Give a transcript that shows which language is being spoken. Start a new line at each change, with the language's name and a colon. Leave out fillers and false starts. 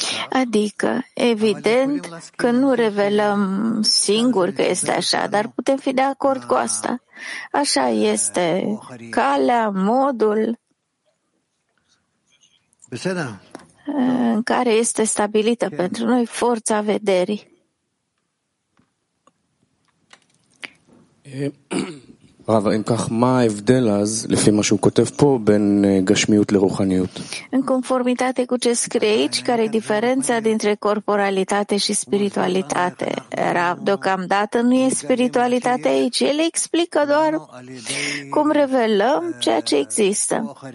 Romanian: Adică, evident că nu revelăm singur că este așa, dar putem fi de acord cu asta. Așa este calea, modul în care este stabilită pentru noi forța vederii.
Hebrew: רב, אם כך, מה ההבדל אז, לפי מה שהוא כותב פה, בין גשמיות לרוחניות?
Romanian: În conformitate cu ce scrie aici, care e diferența dintre corporalitate și spiritualitate? Rav, deocamdată nu e spiritualitate aici, el explică doar cum revelăm ceea ce există.